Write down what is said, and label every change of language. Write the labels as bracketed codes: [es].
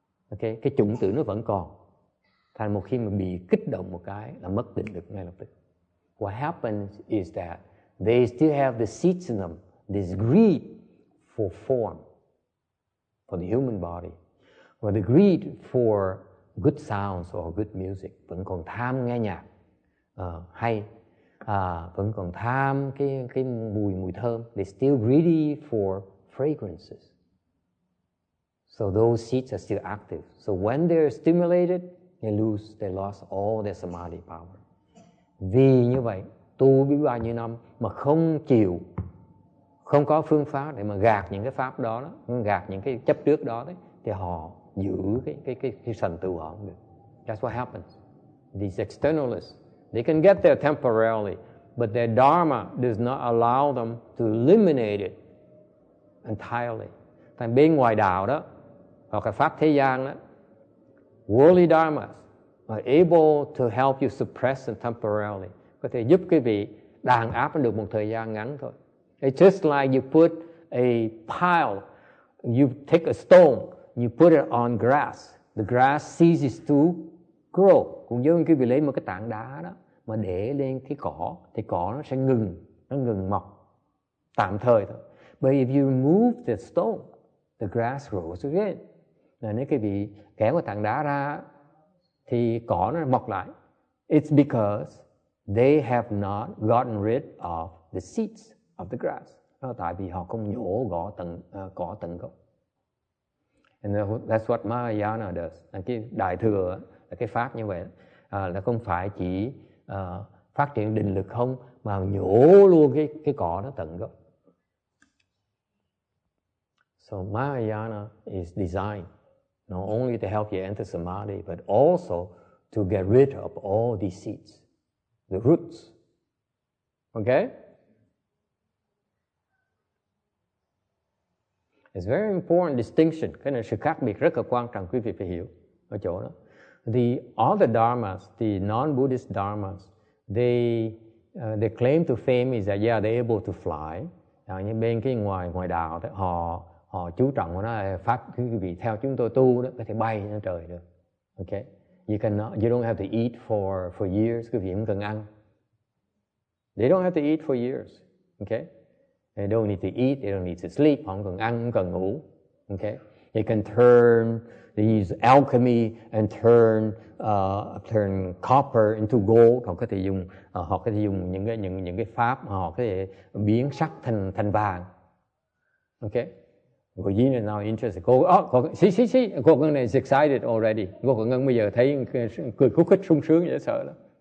[vi] Okay, cái chủng tử nó vẫn còn. Thành một khi mà bị kích động một cái là mất định được ngay lập tức. [en] What happens is that they still have the seeds in them, this greed for form, for the human body. Or the greed for good sounds or good music. [vi] Vẫn còn tham nghe nhạc hay. Vẫn còn tham cái mùi thơm. [en] They're still greedy for fragrances. So those seeds are still active. So when they're stimulated, they lost all their samadhi power. [vi] Vì như vậy, tu biết bao nhiêu năm mà không chịu, không có phương pháp để mà gạt những cái pháp đó, gạt những cái chấp trước đó, đấy, thì họ giữ cái sần tựu họ không được. [en] That's what happens. These externalists, they can get there temporarily, but their dharma does not allow them to eliminate it entirely. [vi] Thành bên ngoài đạo đó, hoặc là pháp thế gian đó, [en] worldly dharmas are able to help you suppress it temporarily. [vi] Có thể giúp quý vị đàn áp được một thời gian ngắn thôi. [en] It's just like you put a pile, you take a stone, you put it on grass, the grass ceases to grow. [vi] Cũng giống như quý vị lấy một cái tảng đá đó mà để lên cái cỏ, thì cỏ nó sẽ ngừng, nó ngừng mọc tạm thời thôi. [en] But if you remove the stone, the grass grows again. [vi] Là nếu quý vị kéo cái tảng đá ra thì cỏ nó mọc lại. [en] It's because they have not gotten rid of the seeds of the grass. [vi] Nó tại vì họ không nhổ cỏ tận gốc. [en] And that's what Mahayana does. [vi] Cái đại thừa là cái pháp như vậy, là không phải chỉ phát triển định lực không, mà nhổ luôn cái cỏ nó tận gốc. [en] So Mahayana is designed not only to help you enter samadhi, but also to get rid of all these seeds, the roots. Okay? It's very important distinction. [vi] Cái này sự khác biệt rất là quan trọng, quý vị phải hiểu ở chỗ đó. [en] The other dharmas, the non-Buddhist dharmas, they claim to fame is that yeah, they're able to fly. [vi] Như bên cái ngoài đạo, đó, họ chú trọng nó là pháp quý vị theo chúng tôi tu đó có thể bay lên trời được. Okay. [en] You don't have to eat for years. [vi] Quý vị không cần ăn. [en] They don't have to eat for years. Okay? They don't need to eat. They don't need to sleep. [vi] Họ không cần ăn, không cần ngủ. [en] Okay? They can turn, they use alchemy and turn copper into gold. [vi] Họ có thể dùng những cái pháp họ có thể biến sắt thành vàng. Okay? [en] Cô Dĩ is now interested. Cô Ngân này is excited already. [vi] Cô Ngân bây giờ thấy cười khúc khích sung sướng dễ sợ lắm.